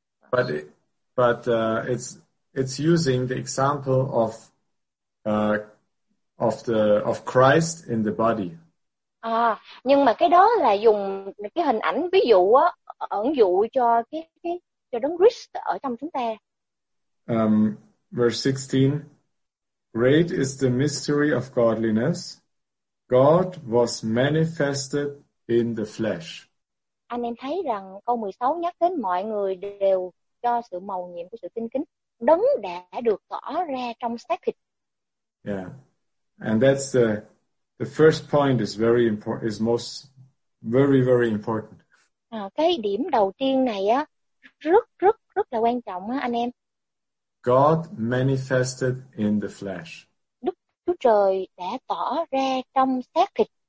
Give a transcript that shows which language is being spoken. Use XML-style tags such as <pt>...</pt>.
<en>But it's using the example of Christ in the body.</en> <vi>Nhưng mà cái đó là dùng cái hình ảnh ví dụ á, ẩn dụ cho cái đấng Christ ở trong chúng ta.</vi> <en>Verse 16, great is the mystery of godliness. God was manifested in the flesh.</en> <vi>Anh em thấy rằng câu 16 nhắc đến mọi người đều cho sự màu nhiệm của sự tinh kính, đấng đã được tỏ ra trong xác thịt.</vi> <en>Yeah, and that's the first point is very important, is most very very important.</en> <vi>Cái điểm đầu tiên này á rất rất rất là quan trọng á anh em.</vi> <en>God manifested in the flesh.</en> <vi>Đức Chúa Trời đã tỏ ra trong xác thịt.</vi>